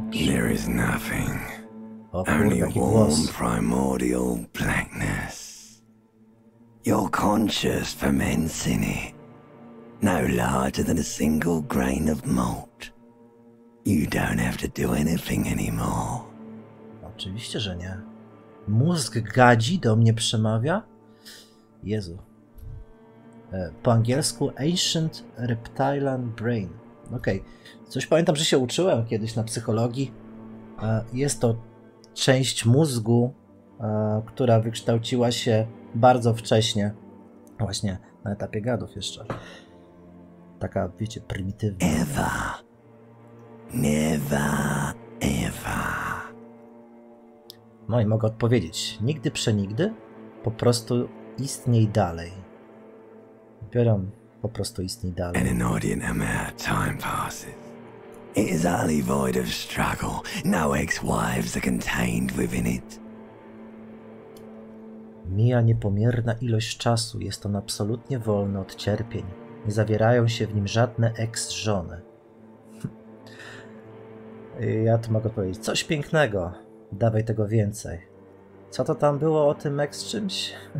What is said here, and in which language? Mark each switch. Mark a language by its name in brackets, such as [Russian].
[English] There is nothing. Only a warm primordial blackness. Your conscience ferments in it, no larger than a single grain of malt. You don't have to do anything anymore. [Polish] Oczywiście, że nie. Mózg gadzi, do mnie przemawia? Jezu. Po angielsku [English] Ancient Reptilian Brain. [Polish] Okej. [English] Okay. [Polish] Coś pamiętam, że się uczyłem kiedyś na psychologii. Jest to część mózgu, która wykształciła się bardzo wcześnie. Właśnie na etapie gadów jeszcze. Taka, wiecie, prymitywna. [English] Ewa. Never ever. [Polish] No i mogę odpowiedzieć. Nigdy przenigdy. Po prostu istnij dalej. Biorę po prostu istnij dalej. [English] An inordinate amount of time passes. It is utterly void of struggle. No ex-wives are contained within it. [Polish] Mija niepomierna ilość czasu. Jest on absolutnie wolny od cierpień. Nie zawierają się w nim żadne ex-żony. Ja tu mogę powiedzieć, coś pięknego, dawaj tego więcej. Co to tam było o tym ex czymś?